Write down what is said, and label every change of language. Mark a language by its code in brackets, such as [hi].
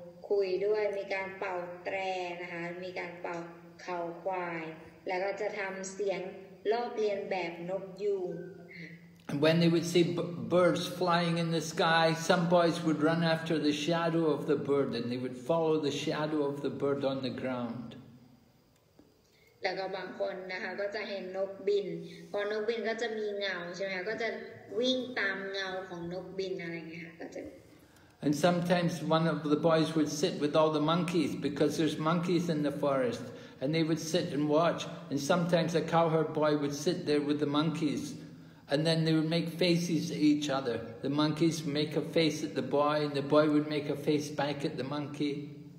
[th] คุยด้วยมีการเป่าแตรนะคะมีการเป่าเขาควายแล้วก็จะทำเสียงลอกเลียนแบบนกยูง [en] And when they would see birds flying in the sky, some boys would run after the shadow of the bird and they would follow the shadow of the bird on the ground. [th] แล้วก็บางคนนะคะก็จะเห็นนกบินพอนกบินก็จะมีเงาใช่ไหมคะก็จะวิ่งตามเงาของนกบินอะไรเงี้ยก็จะ [en] And sometimes one of the boys would sit with all the monkeys because there's monkeys in the forest and they would sit and watch and sometimes a cowherd boy would sit there with the monkeys and then they would make faces at each other. The monkeys would make a face at the boy and the boy would make a face back at the monkey.